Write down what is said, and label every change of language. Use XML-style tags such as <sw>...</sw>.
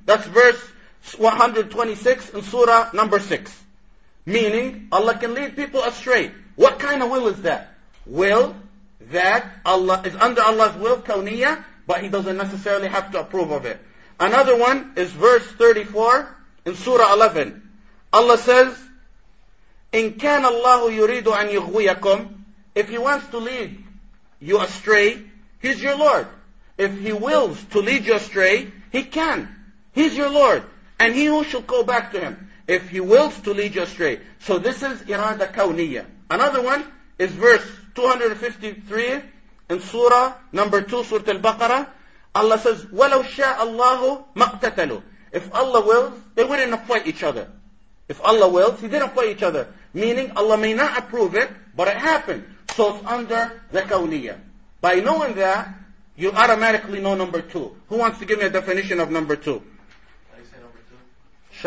<en>That's verse 126 in surah number 6. Meaning, Allah can lead people astray. What kind of will is that? Will that Allah is under Allah's will, kawniyya, but He doesn't necessarily have to approve of it. Another one is verse 34 in surah 11. Allah says,</en> <ar>إِن كَانَ اللَّهُ يُرِيدُ أَن يُغْوِيَكُمْ.</ar> <en>If He wants to lead you astray, He's your Lord. If He wills to lead you astray, He can. He's your Lord. And He who shall go back to Him. If He wills to lead you astray. So this is irada kawniyya. Another one is verse 253 in surah number 2, surah al-Baqarah. Allah says,</en> <ar>وَلَوْ شَاءَ اللَّهُ مَقْتَتَلُوا.</ar> <en>If Allah wills, they wouldn't fight each other. If Allah wills, He didn't fight each other. Meaning Allah may not approve it, but it happened. So it's under the kawniyya. By knowing that, you automatically know number 2. Who wants to give me a definition of number 2? I say number 2.</en>